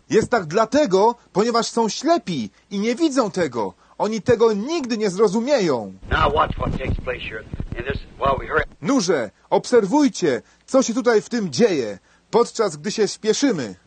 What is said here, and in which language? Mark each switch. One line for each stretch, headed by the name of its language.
Polish: Jest tak dlatego, ponieważ są ślepi i nie widzą tego. Oni tego nigdy nie zrozumieją.
English: Now watch what takes place here in this, while we hurry.
Polish: Nurze, obserwujcie, co się tutaj w tym dzieje, podczas gdy się spieszymy.